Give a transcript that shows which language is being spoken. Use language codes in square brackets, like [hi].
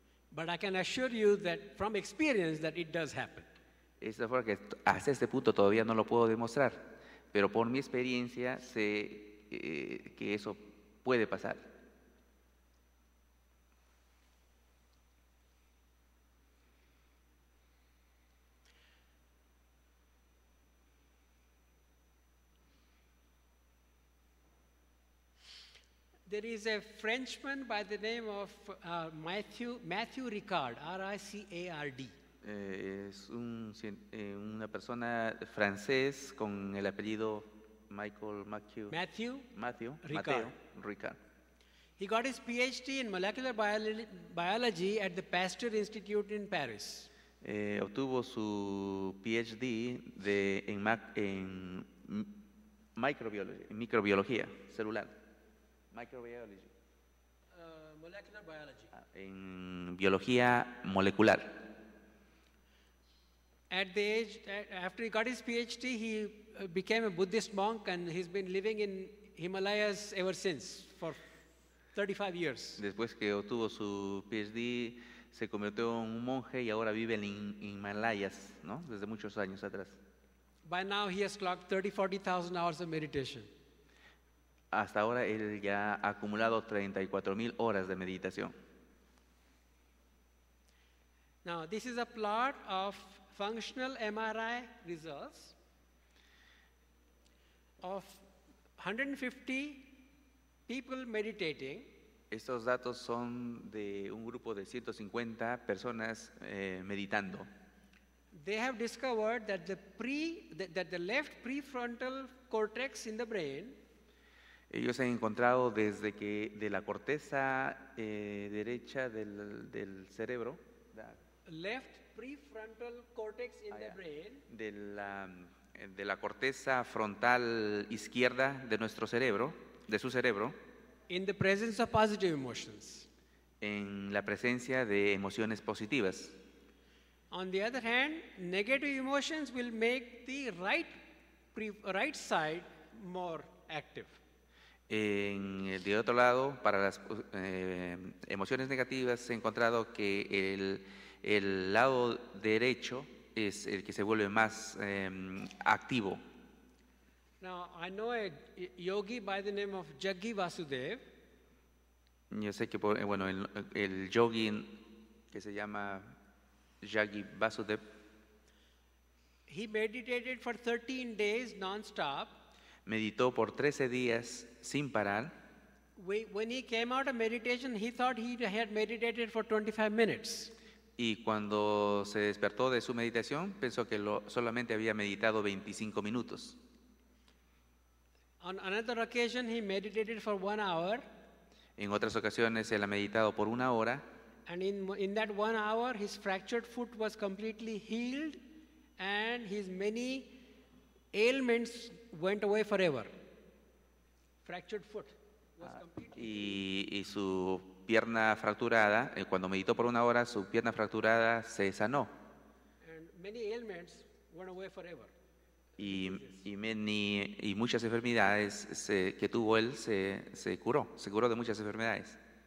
[en] But I can assure you that from experience that it does happen. [es] Es la forma que hasta este punto todavía no lo puedo demostrar, pero por mi experiencia sé que eso puede pasar. [en] There is a Frenchman by the name of Matthew Ricard, R-I-C-A-R-D. [es] Es una persona francés con el apellido Michael Matthew. [en] Matthew Ricard. He got his PhD in molecular biology at the Pasteur Institute in Paris. [es] Obtuvo su PhD en microbiología celular. [en] Molecular biology. [es] En biología molecular. [en] At the age, after he got his PhD, he became a Buddhist monk and he's been living in Himalayas ever since for 35 years. [es] Después que obtuvo su PhD, se convirtió en un monje y ahora vive en Himalayas, ¿no? Desde muchos años atrás. [en] By now he has clocked 30,000-40,000 hours of meditation. [es] Hasta ahora él ya ha acumulado 34,000 horas de meditación. [en] Now, this is a plot of functional MRI results of 150 people meditating. [es] Estos datos son de un grupo de 150 personas meditando. [en] They have discovered that the left prefrontal cortex in the brain. [es] Ellos han encontrado desde que de la corteza derecha del cerebro, [en] left prefrontal cortex in the brain, [es] de la corteza frontal izquierda de nuestro cerebro, de su cerebro, [en] in the presence of positive emotions, [es] en la presencia de emociones positivas. [en] On the other hand, negative emotions will make the right side more active. [es] De otro lado, para las emociones negativas se ha encontrado que el lado derecho es el que se vuelve más activo. [en] Now, I know a yogi by the name of Jaggi Vasudev. [es] Yo sé que el yogi que se llama Jaggi Vasudev. [en] He meditated for 13 days non-stop. [es] Meditó por 13 días sin parar. [en] When he came out of meditation, he thought he had meditated for 25 minutes. [es] Y cuando se despertó de su meditación, pensó que solamente había meditado 25 minutos. [en] On another occasion, he meditated for 1 hour. [es] En otras ocasiones, él ha meditado por una hora. [en] And in that 1 hour, his fractured foot was completely healed, and his many ailments went away forever. Fractured foot was completely healed. [es] Y su pierna fracturada, cuando meditó por una hora, su pierna fracturada se sanó. [en] And many ailments went away forever. [es] Y muchas enfermedades que tuvo él se curó de muchas enfermedades.